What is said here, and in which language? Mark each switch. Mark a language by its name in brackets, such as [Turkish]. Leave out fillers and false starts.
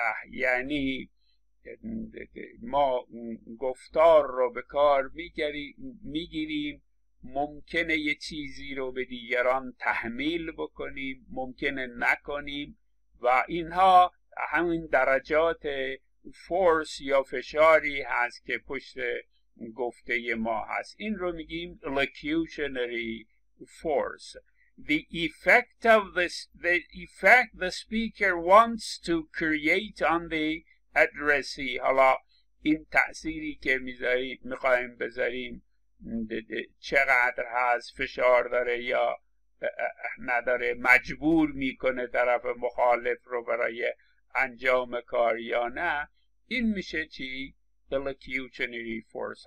[Persian] یعنی ما گفتار رو به کار میگیریم، ممکنه یه چیزی رو به دیگران تحمیل بکنیم، ممکنه نکنیم، و اینها همین درجات فورس یا فشاری هست که پشت گفته ما هست. این رو میگیم elocutionary force. [English] The effect the speaker wants to create on the addressee. [Persian] حالا این تأثیری که میخواییم بذاریم چقدر هست، فشار داره یا نداره، مجبور میکنه طرف مخالف رو برای انجام کار یا نه، این میشه چی؟ elocutionary force.